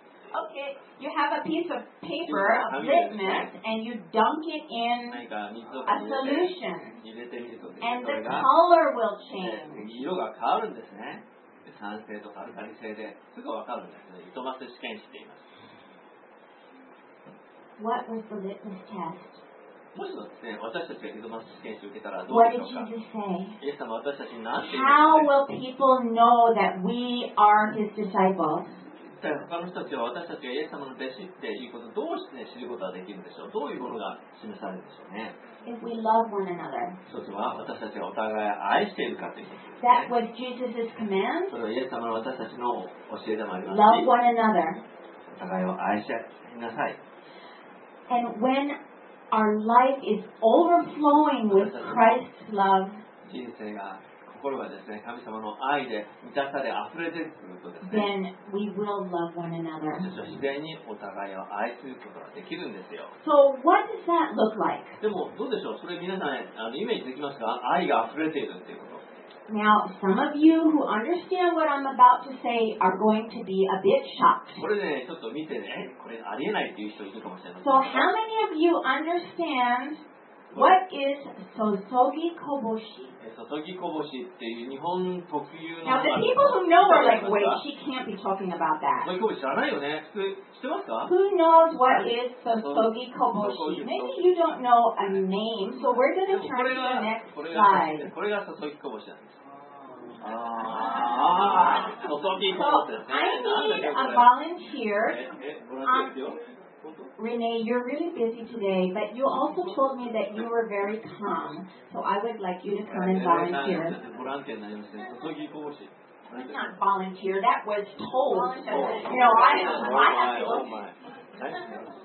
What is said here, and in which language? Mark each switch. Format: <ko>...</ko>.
<en>Okay, you have a piece of paper, a litmus, and you dunk it in a solution. And the color will change.</en> <ja>色が変わるんですね。酸性とかアルカリ性ですぐ分かるんですね。リトマス試験しています。</ja> <en>What was the litmus test?</en> <ja>もしもですね、私たちがリトマス試験を受けたらどうでしょうか。イエス様は私たちに何て言うんです</ja> <en>か。How will people know that we are his disciples?</en> <ja>だから他の人たちは私たちがイエス様の弟子っていうことをどうして知ることができるんでしょう。どういうものが示されるんでしょうね。</ja> <en>If we love one another.</en> <ja>一つは私たちがお互い愛しているかということです、ね。</ja> <en>That was Jesus's command.</en> <ja>それはイエス様の私たちの教えでもあります</ja> <en>し。Love one another.</en> <ja>お互いを愛し合いなさい。</ja> <en>And when our life is overflowing with Christ's love.</en> <ja>人生が心がですね、神様の愛で満たされ溢れてくるとですね、</ja> <en>then we will love one another.</en> <ja>自然にお互いを愛することができるんですよ。</ja> <en>So what does that look like?</en> <ja>でもどうでしょう、それ皆さんイメージできますか、愛が溢れているっていうこと。</ja> <en>Now, some of you who understand what I'm about to say are going to be a bit shocked.</en> <ja>これね、ちょっと見てね、これありえないっていう人いるかもしれない。</ja> <en>So how many of you understand what is sosogi koboshi?</en> <ja>注ぎこぼしっていう日本特有の。</ja> <en>Now the people who know are like, wait, she can't be talking about that.</en> <ja>注ぎこぼし知らないよね。普通知ってますか</ja> <en>？Who knows what is the 注ぎこぼし ？Maybe you don't know a name, so we're going to turn to the next slide.</en> <ja>これが注ぎこぼしなんです。ああ、注ぎこぼしですね。</ja> <en>I need a volunteer.</en> <ja>ボランティアよ。</ja> <en>Renee, you're really busy today, but you also told me that you were very calm, so I would like you to come and volunteer. That's not volunteer, that was told. You know, I have to look at it.</en>